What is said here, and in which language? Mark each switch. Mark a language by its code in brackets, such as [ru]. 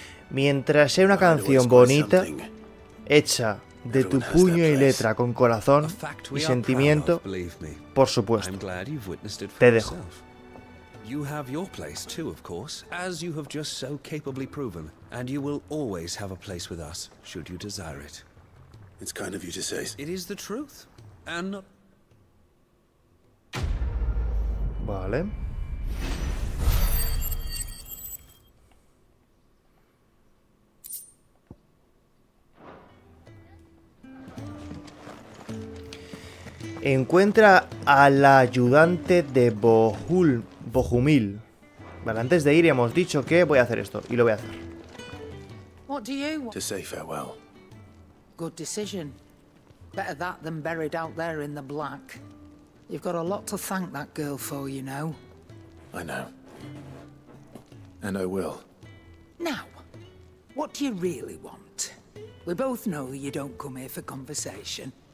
[es] Mientras sea una canción bonita, hecha de tu puño y letra con corazón y sentimiento, por supuesto, te dejo. [en] You have your place too, of course, as you have just so capably proven, and you will always have a place with us, should you desire it. It's kind of you to say. It is the truth. And [es] Vale. Encuentra al ayudante de Bohumil. Vale, antes de ir hemos dicho que voy a hacer esto y lo voy a hacer. [en] What do you to say farewell? Good decision. Better that than buried out there in the black. You've got a lot to thank that girl for, you know. I know. And I will. Now, what do you really want? We both know you don't come here for conversation.